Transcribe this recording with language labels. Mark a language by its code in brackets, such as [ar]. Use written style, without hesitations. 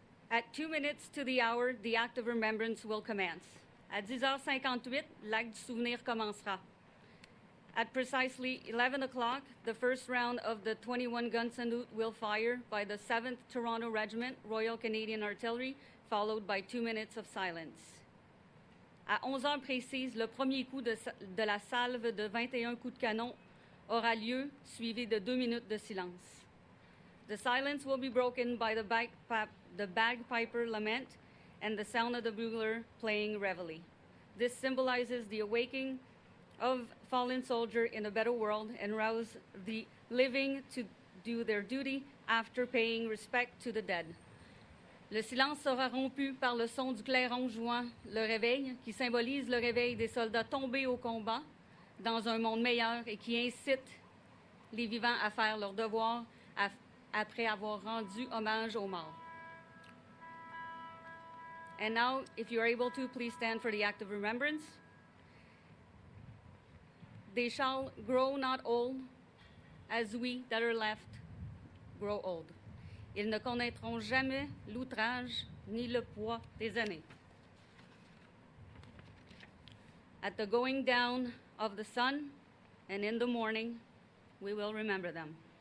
[en] At 2 minutes to the hour, the act of remembrance will commence. [fr] At 10h58, l'acte du souvenir commencera. [en] At precisely 11 o'clock, the first round of the 21-gun salute will fire by the 7th Toronto Regiment, Royal Canadian Artillery, followed by 2 minutes of silence. [fr] À 11h précise, le premier coup de la salve de 21 coups de canon aura lieu, suivi de 2 minutes de silence. [en] The silence will be broken by the bagpiper lament and the sound of the bugler playing reveille. This symbolizes the awakening of fallen soldier in a better world and rouse the living to do their duty after paying respect to the dead. [fr] Le silence sera rompu par le son du clairon jouant le réveil, qui symbolise le réveil des soldats tombés au combat dans un monde meilleur et qui incite les vivants à faire leur devoir après avoir rendu hommage aux morts. [en] And now, if you are able to, please stand for the act of remembrance. They shall grow not old, as we that are left grow old. [fr] Ils ne connaîtront jamais l'outrage ni le poids des années. [en] At the going down of the sun and in the morning, we will remember them.